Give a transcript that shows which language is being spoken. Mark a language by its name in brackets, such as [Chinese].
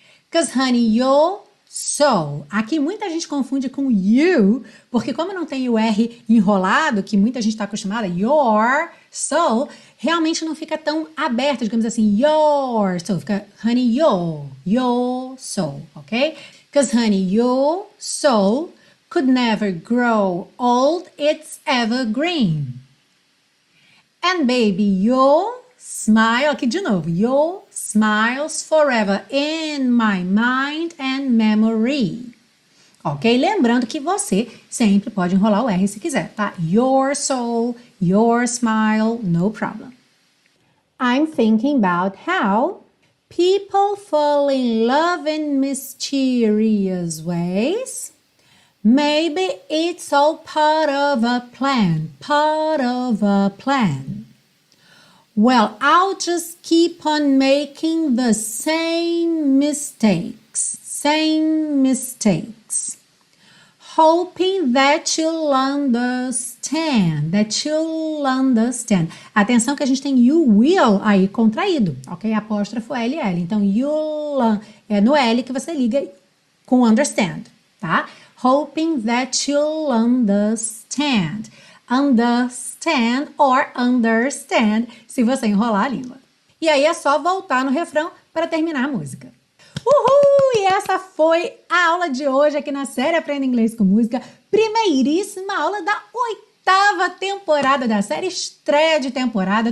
[English] 'Cause honey, you're so. [Portuguese] Aqui muita gente confunde com you, porque como não tem o R enrolado, que muita gente está acostumada, you're so, realmente não fica tão aberto, digamos assim, you're so, fica [English] honey, you're so, [Portuguese] ok? [English] 'Cause honey, your soul could never grow old, it's evergreen. And baby, your smile, [Portuguese] aqui de novo, [English] your smile's forever in my mind and memory. Ok? [Portuguese] Lembrando que você sempre pode enrolar o R se quiser, tá? [English] Your soul, your smile, no problem. I'm thinking about how people fall in love in mysterious ways. Maybe it's all part of a plan, part of a plan. Well, I'll just keep on making the same mistakes, same mistakes. Hoping that you'll understand, that you'll understand. [Portuguese] Atenção que a gente tem you will aí contraído, ok? Apóstrofo LL. Então, you'll, é no L que você liga com understand, tá? [English] Hoping that you'll understand. Understand or understand, [Portuguese] se você enrolar a língua. E aí é só voltar no refrão para terminar a música. Uhul! E essa foi a aula de hoje aqui na série Aprenda Inglês com Música. Primeiríssima aula da 8ª temporada da série, estreia de temporada.